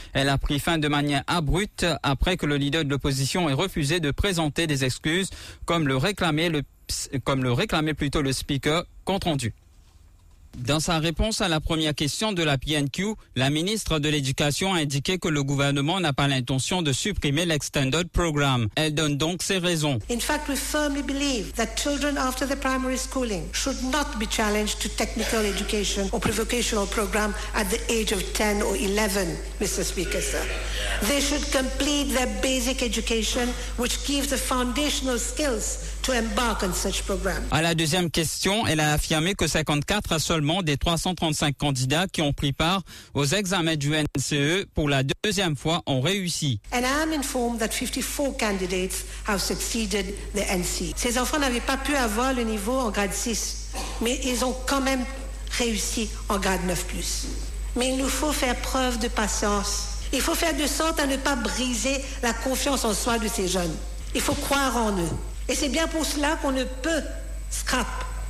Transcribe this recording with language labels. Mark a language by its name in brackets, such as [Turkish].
[French] Elle a pris fin de manière abrupte après que le leader de l'opposition ait refusé de présenter des excuses comme le réclamait plutôt le speaker, compte rendu. Dans sa réponse à la première question de la PNQ, la ministre de l'Éducation a indiqué que le gouvernement n'a pas l'intention de supprimer l'Extended Programme. Elle donne donc ses raisons. [English] In fact, we firmly believe that children after the primary schooling should not be challenged to technical education or pre-vocational program at the age of 10 or 11, Mr. Speaker, sir. They should complete their basic education, which gives the foundational skills to embark on such program. [French] À la deuxième question, elle a affirmé que 54 à seulement des 335 candidats qui ont pris part aux examens du NCE pour la deuxième fois ont réussi. [English] And I am informed that 54 candidates have succeeded the NCE. [French] Ces enfants n'avaient pas pu avoir le niveau en grade 6, mais ils ont quand même réussi en grade 9+. Mais il nous faut faire preuve de patience. Il faut faire de sorte à ne pas briser la confiance en soi de ces jeunes. Il faut croire en eux. Et c'est bien pour cela qu'on ne peut scraper.